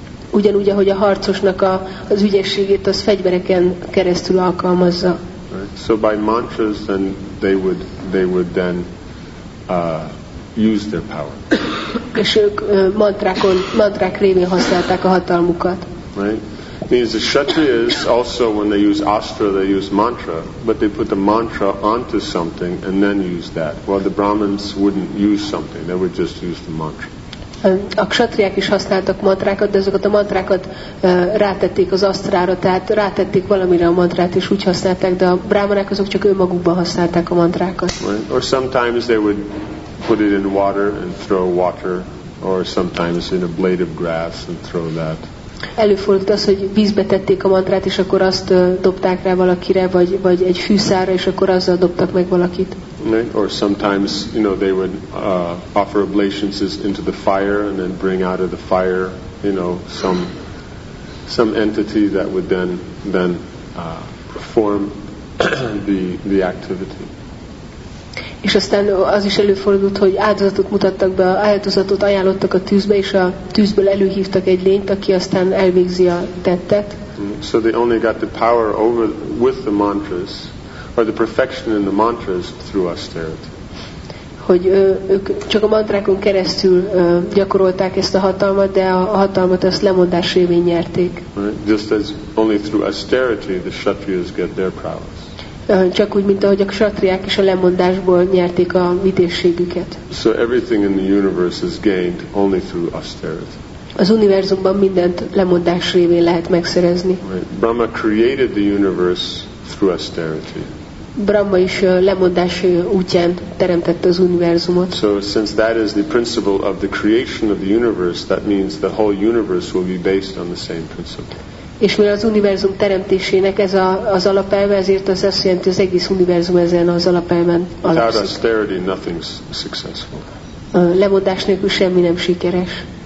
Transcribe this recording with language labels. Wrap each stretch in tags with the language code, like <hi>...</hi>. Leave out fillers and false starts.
<hu>Ugyanúgy, ahogy a harcosnak az ügyességét az fegyvereken keresztül alkalmazza.</hu> <en>Right, so by mantras then they would then use their power.</en> <hu>És ők mantrák révén használták a hatalmukat.</hu> <en>Right. Means the kshatriyas also when they use astra they use mantra, but they put the mantra onto something and then use that. While the brahmins wouldn't use something, they would just use the mantra.</en> <hu>A kshatriyák is használtak mantrákat, de azokat a mantrákat rátették az asztrára, tehát rátették valamire a mantrát és úgy használták, de a brahmanák azok csak önmagukban használták a mantrákat.</hu> <en>Right. Or sometimes they would put it in water and throw water, or sometimes in a blade of grass and throw that.</en> <hu>Előfordult az, hogy vízbe tették a mantrát, és akkor azt dobták rá valakire, vagy egy fűszára, és akkor azzal dobtak meg valakit.</hu> <en>Right? Or sometimes, you know, they would offer oblations into the fire and then bring out of the fire, you know, some entity that would then perform the activity.</en> <hu>És aztán az is előfordult, hogy áldozatot mutattak be, áldozatot ajánlottak a tűzbe, és a tűzből előhívtak egy lényt, aki aztán elvégzi a tettet.</hu> <en>So they only got the power over with the mantras, or the perfection in the mantras through austerity.</en> <hu>Hogy ők csak a mantrákon keresztül gyakorolták ezt a hatalmat, de a hatalmat ezt lemondás révén nyerték.</hu> <en>Right? Just as only through austerity the kshatriyas get their prowess.</en> <hu>Csak úgy, mint ahogy a kshatriák is a lemondásból nyerték a vitézségüket.</hu> <en>So everything in the universe is gained only through austerity.</en> <hu>Az univerzumban mindent lemondás révén lehet megszerezni.</hu> <en>Right. Brahma created the universe through austerity.</en> <hu>Brahma is lemondás útján teremtette az univerzumot.</hu> <en>So since that is the principle of the creation of the universe, that means the whole universe will be based on the same principle.</en> <hu>És mivel az univerzum teremtésének ez az alapelve, ezért az azt jelenti, az egész univerzum ezen az alapelven alapszik.</hu> <en>Without austerity, nothing's successful.</en> <hu>Lemondás nélkül semmi nem sikeres.</hu>